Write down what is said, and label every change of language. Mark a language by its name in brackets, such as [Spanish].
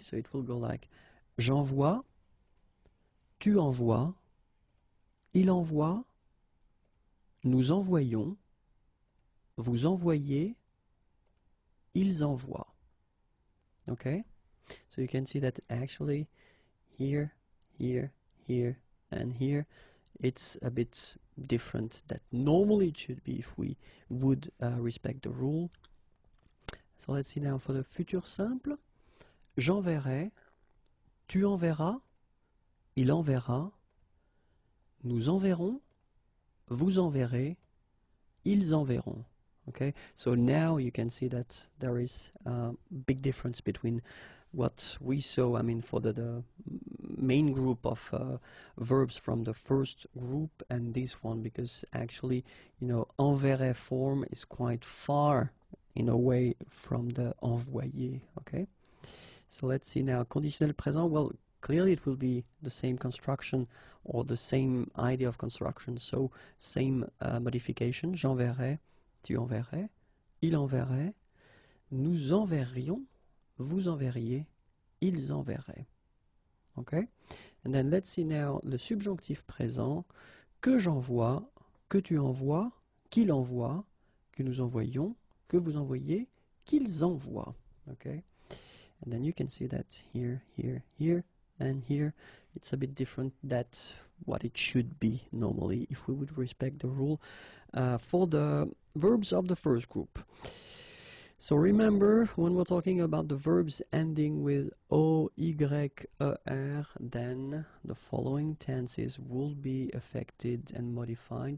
[English] So it will go like, [French] j'envoie, tu envoies, il envoie, nous envoyons, vous envoyez, ils envoient. [English] Okay, so you can see that actually, here, here, here and here, it's a bit different than normally it should be if we would respect the rule. So let's see now for the futur simple. [French] J'enverrai, tu enverras, il enverra, nous enverrons, vous enverrez, ils enverront. [English] Okay, so now you can see that there is a big difference between what we saw, I mean, for the main group of verbs from the first group and this one, because actually, you know, enverrai form is quite far in a way from the envoyer, okay? So let's see now, conditionnel présent, well, clearly it will be the same construction or the same idea of construction, so same modification, [French] j'enverrai, tu enverrais, il enverrait, nous enverrions, vous enverriez, ils enverraient. [English] Okay? And then let's see now le subjonctif présent. [French] Que j'envoie, que tu envoies, qu'il envoie, que nous envoyons, que vous envoyez, qu'ils envoient. [English] Okay? And then you can see that here, here, here, and here, it's a bit different than what it should be normally if we would respect the rule for the verbs of the first group. So remember, when we're talking about the verbs ending with O-Y-E-R, then the following tenses will be affected and modified.